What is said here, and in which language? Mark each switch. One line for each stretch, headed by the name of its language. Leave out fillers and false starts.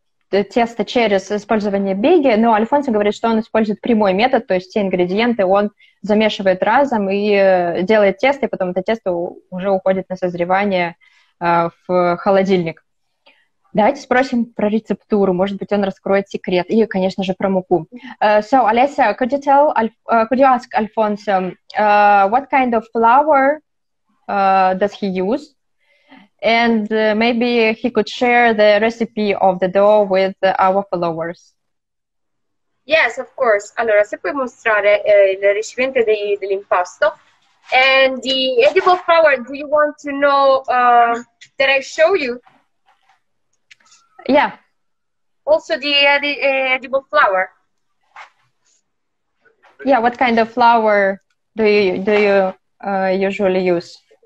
Russian: тесто через использование биги, но Альфонсо говорит, что он использует прямой метод, то есть те ингредиенты он замешивает разом и делает тесто, и потом это тесто уже уходит на созревание в холодильник. Давайте спросим про рецептуру, может быть, он раскроет секрет, и, конечно же, про муку.
English: So, Alessia, could you ask Alfonso, what kind of flour does he use? And maybe he could share the recipe of the dough with our followers. Yes, of course.
Italian: Allora, se puoi mostrare il ricipiente dell'impasto,
English: And the edible flower, do you want to know that I show you? Yeah. Also the edible flower. Yeah, what kind of flower do you usually use?